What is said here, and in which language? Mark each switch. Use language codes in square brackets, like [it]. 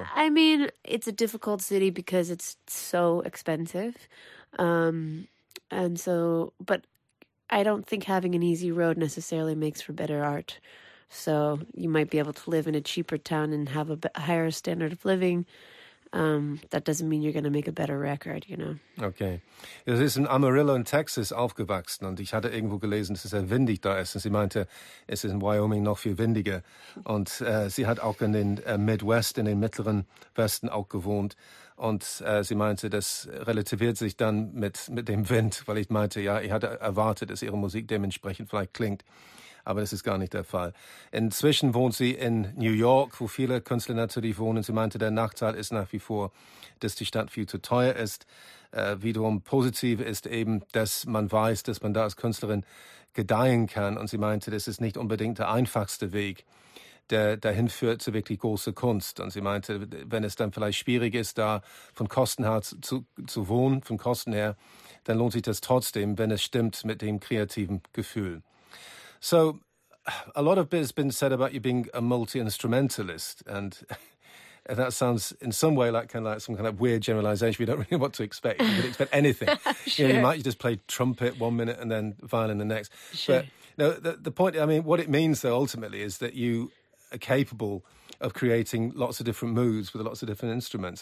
[en] I mean, it's a difficult city because it's so expensive. But I don't think having an easy road necessarily makes for better art. So you might be able to live in a cheaper town and have a higher standard of living. That doesn't mean you're going to make a better record, you know. Okay. [de] Es ist in Amarillo in Texas aufgewachsen und ich hatte irgendwo gelesen, dass es sehr windig da ist. Und sie meinte, es ist in Wyoming noch viel windiger. Und sie hat auch in den Midwest, in den mittleren Westen auch gewohnt. Und sie meinte, das relativiert sich dann mit dem Wind, weil ich meinte, ja, ich hatte erwartet, dass ihre Musik dementsprechend vielleicht klingt. Aber das ist gar nicht der Fall. Inzwischen wohnt sie in New York, wo viele Künstler natürlich wohnen. Sie meinte, der Nachteil ist nach wie vor, dass die Stadt viel zu teuer ist. Wiederum positiv ist eben, dass man weiß, dass man da als Künstlerin gedeihen kann. Und sie meinte, das ist nicht unbedingt der einfachste Weg, der dahin führt zu wirklich großer Kunst. Und sie meinte, wenn es dann vielleicht schwierig ist, da von Kosten her zu wohnen, von Kosten her, dann lohnt sich das trotzdem, wenn es stimmt mit dem kreativen Gefühl. [en] So, a lot of bit has been said about you being a multi-instrumentalist, and that sounds in some way like kind of like some kind of weird generalization. We don't really know what to expect. You could expect anything. Sure. You know, you might just play trumpet one minute and then violin the next. Sure. But no, the point, I mean, what it means, though, ultimately, is that you are capable of creating lots of different moods with lots of different instruments.